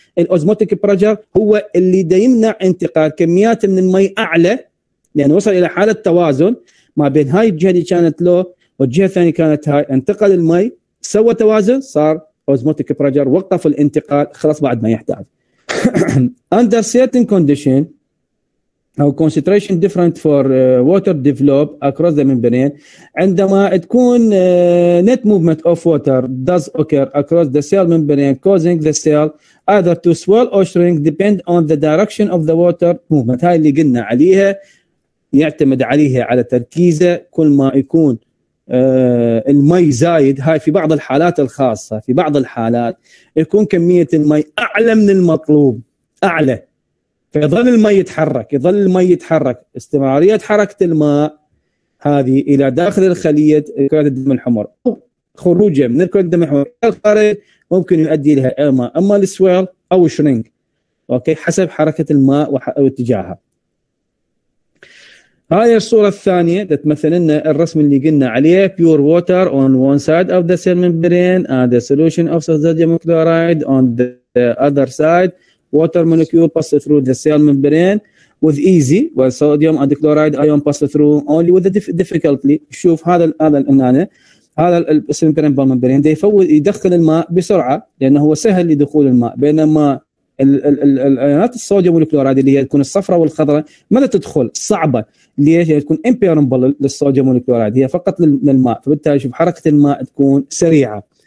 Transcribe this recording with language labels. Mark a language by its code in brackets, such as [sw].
[ar] الأوزموتيك برجر هو اللي يمنع انتقال كميات من المي أعلى، لأنه وصل إلى حالة توازن ما بين هاي الجهة اللي كانت لو والجهة الثانية كانت هاي، انتقل المي سوى توازن صار أوزموتيك برجر، وقف الانتقال خلاص بعد ما يحتاج. [en] Under certain condition [ar] أو [en] concentration different for water develop across the membrane [ar] عندما تكون [en] net movement of water does occur across the cell membrane causing the cell either to swell or shrink depend on the direction of the water movement. [ar] هاي اللي قلنا عليها يعتمد عليها على تركيزه. كل ما يكون المي زايد, هاي في بعض الحالات الخاصة, في بعض الحالات يكون كمية المي أعلى من المطلوب, أعلى, فيظل المي يتحرك, يظل المي يتحرك, استمرارية حركة الماء هذه إلى داخل الخلية كرة الدم الحمر, خروجه من كرة الدم الحمر إلى الخارج ممكن يؤدي لها إما السويل أو الشرينج, أوكي, حسب حركة الماء واتجاهها. هاي الصورة الثانية تمثل لنا الرسم اللي قلنا عليه, [en] pure water on one side of the cell membrane and the solution of sodium chloride on the other side. Water molecule passes through the cell membrane with easy, while sodium and chloride ion passes through only with the difficulty. [ar] شوف هذا هذا البرمبرين يدخل الماء بسرعة لأنه هو سهل لدخول الماء, بينما الأيونات الصوديوم والكلوريد اللي هي تكون الصفراء والخضراء ما تدخل, صعبة, ليش؟ هي تكون impermeable للصوديوم والكلوريد, هي فقط للماء, فبالتالي شوف حركة الماء تكون سريعة.